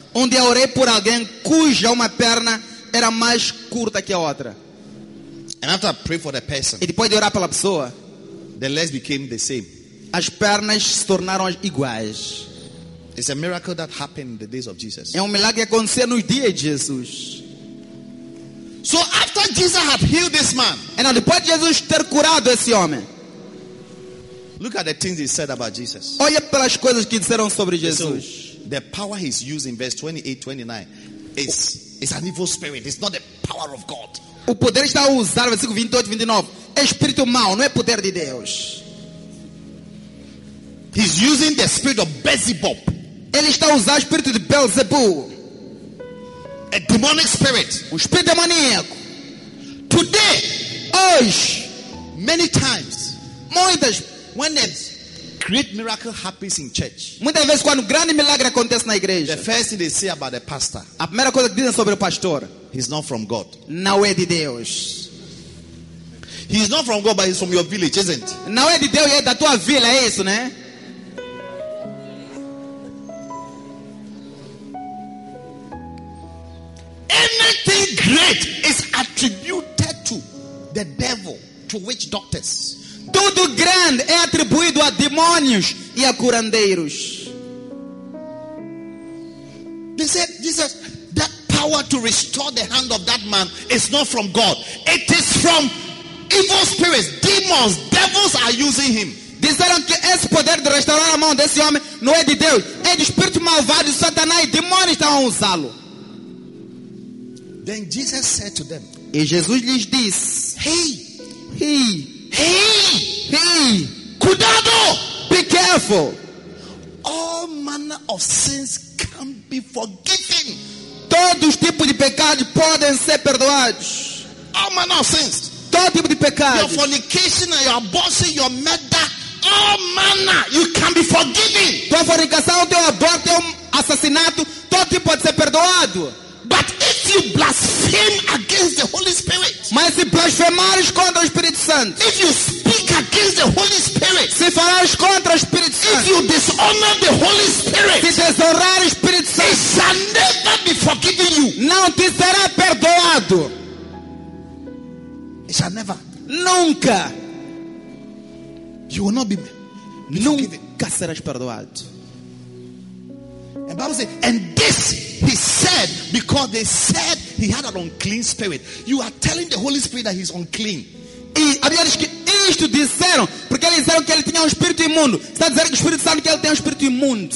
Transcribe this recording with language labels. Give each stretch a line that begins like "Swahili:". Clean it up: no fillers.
Portuguese: Um dia orei por alguém cuja uma perna era mais curta que a outra.
English: And after I prayed for the person.
Portuguese: E depois de orar pela pessoa,
English: the legs became the same.
Portuguese: As pernas se tornaram iguais.
English: It's a miracle that happened in the days of Jesus.
Portuguese: É um milagre que aconteceu nos dias de Jesus.
English: So after Jesus had healed this man,
Portuguese: and depois de Jesus ter curado esse homem,
English: look at the things he said about Jesus.
Portuguese: Olha pelas coisas que disseram sobre Jesus.
English: The power he's using, verse 28-29, is an evil spirit. It's not the power of God.
Portuguese: O poder está a usar, versículo 28-29, é espírito mau, não é poder de Deus.
English: He's using the spirit of Beelzebub.
Portuguese: Ele está usando o espírito de Beelzebub.
English: A demonic spirit.
Portuguese: Um espírito demoníaco.
English: Today,
Portuguese: hoje,
English: many times,
Portuguese: muitas
English: when a great miracle happens in church.
Portuguese: Muitas vezes quando um grande milagre acontece na igreja.
English: The first thing they say about the pastor.
Portuguese: A primeira coisa que dizem sobre o pastor,
English: he's not from God.
Portuguese: Não é de Deus.
English: He's not from God, but he's from your village, isn't it?
Portuguese: Não é de Deus, é da tua vila, é isso, né?
English: Anything great is attributed to the devil to witch doctors.
Portuguese: Tudo grande é atribuído a demônios e a curandeiros.
English: They said, Jesus, that power to restore the hand of that man is not from God. It is from evil spirits, demons, devils are using him.
Portuguese: Disseram que esse poder de restaurar a mão desse homem não é de Deus. É de espírito malvado, Satanás e demônios estão a usá-lo.
English: Then Jesus said to them,
Portuguese: e Jesus lhes disse, Hey, cuidado,
English: be careful. All manner of sins can be forgiven.
Portuguese: Todos os tipos de pecados podem ser perdoados.
English: All manner of sins.
Portuguese: Todo tipo de pecado.
English: Your fornication, your abortion, your murder, all manner, you can be forgiven.
Portuguese: Tua fornicação, teu aborto, teu assassinato, todo tipo pode ser perdoado.
English: But if you blaspheme against the Holy Spirit,
Portuguese: mas se blasfemares contra o Espírito Santo,
English: if you speak against the Holy Spirit,
Portuguese: se falares contra o Espírito Santo,
English: if you dishonor the Holy Spirit,
Portuguese: se desonrar o Espírito Santo,
English: it shall never be forgiven you.
Portuguese: Não te será perdoado.
English: It shall never.
Portuguese: Nunca.
English: You will not be.
Portuguese: Nunca serás perdoado.
English: And Bible says, and this he said because they said he had an unclean spirit. You are telling the Holy Spirit that he's unclean.
Portuguese: E a Bíblia diz que isto disseram porque eles disseram que ele tinha um espírito imundo. Está dizendo que o Espírito Santo que ele tem um espírito imundo.